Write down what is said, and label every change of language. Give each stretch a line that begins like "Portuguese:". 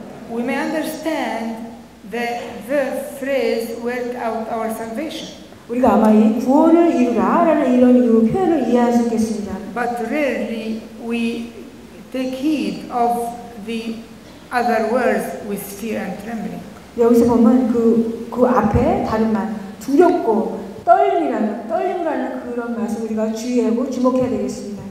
English: We may understand that the phrase work out our salvation.
Korean: 우리가 아마 이 구원을 이루라라는 이런 이 표현을 이해할 수 있겠습니다.
English: But really, we take heed of the other words with fear and trembling.
Korean: 여기서 보면 그 앞에 다른 말 두렵고 떨림이라는 그런 말씀 우리가 주의하고 주목해야 되겠습니다.